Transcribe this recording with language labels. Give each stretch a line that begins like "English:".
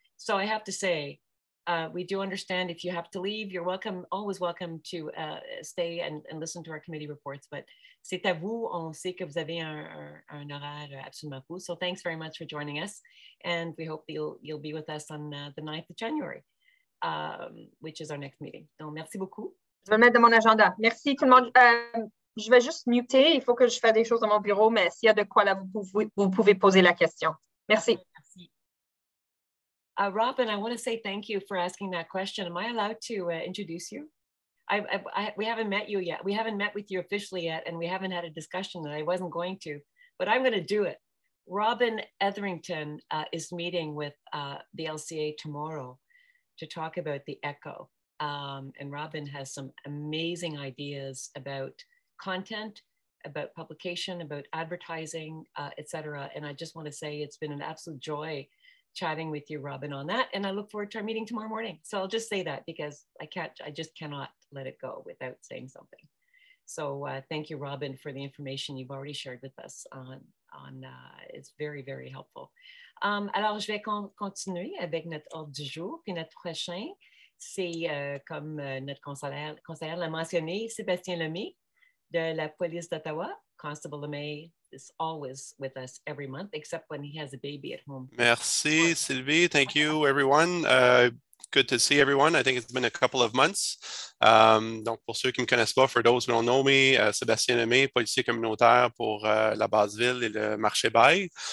English: So I have to say, we do understand if you have to leave, you're welcome, always welcome to stay and listen to our committee reports.
French: But c'est à vous, on sait que vous avez un horaire absolument fou.
English: So thanks very much for joining us. And we hope you'll be with us on the 9th of January, which is our next meeting.
French: Donc, merci beaucoup. Je vais mettre dans mon agenda. Merci tout le monde. Je vais juste muter. Il faut que je fasse des choses dans mon bureau, mais s'il y a de quoi là, vous pouvez poser la question. Merci. Merci.
English: Robin, I want to say thank you for asking that question. Am I allowed to introduce you? We haven't met you yet. We haven't met with you officially yet, and we haven't had a discussion that I wasn't going to, but I'm going to do it. Robin Etherington is meeting with the LCA tomorrow to talk about the ECHO. And Robin has some amazing ideas about content, about publication, about advertising, et cetera. And I just want to say it's been an absolute joy chatting with you, Robin, on that. And I look forward to our meeting tomorrow morning. So I'll just say that because I just cannot let it go without saying something. So thank you, Robin, for the information you've already shared with us on it's very, very helpful.
French: Alors, je vais continuer avec notre ordre du jour, puis notre prochain. C'est comme notre conseillère l'a mentionné, Sébastien Lemay de la police d'Ottawa.
English: Constable Lemay is always with us every month, except when he has a baby at home. Merci, Sylvie. Thank you, everyone. Good to see everyone. I think it's been a couple of months.
French: Donc, pour ceux qui ne me connaissent pas,
English: for those who don't know me,
French: Sébastien Lemay, policier communautaire pour la Basse-Ville et le Marché-Baye.